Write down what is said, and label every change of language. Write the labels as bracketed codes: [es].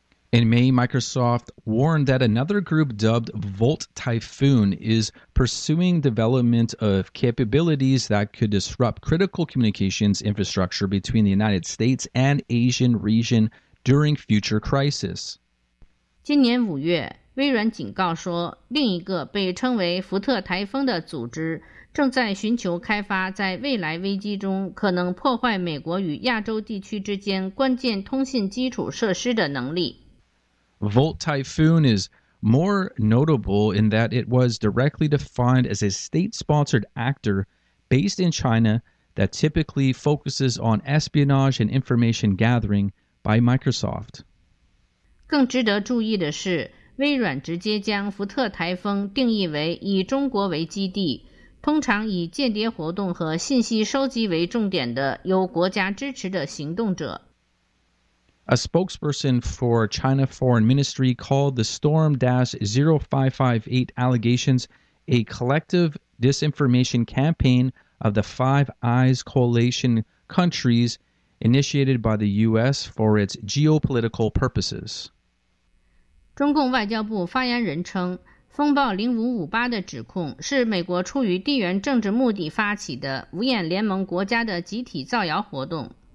[en] In May, Microsoft warned that another group dubbed Volt Typhoon is pursuing development of capabilities that could disrupt critical communications infrastructure between the United States and Asian region during future crisis. [zh] 今年五月，微软警告说，另一个被称为福特台风的组织正在寻求开发在未来危机中可能破坏美国与亚洲地区之间关键通信基础设施的能力。 [en] Volt Typhoon is more notable in that it was directly defined as a state-sponsored actor based in China that typically focuses on espionage and information gathering by Microsoft. [zh] 更值得注意的是，微软直接将福特台风定义为以中国为基地，通常以间谍活动和信息收集为重点的由国家支持的行动者。 [en] A spokesperson for China Foreign Ministry called the Storm-0558 allegations a collective disinformation campaign of the Five Eyes coalition countries initiated by the U.S. for its geopolitical purposes. [zh] 中共外交部发言人称，风暴0558的指控是美国出于地缘政治目的发起的五眼联盟国家的集体造谣活动。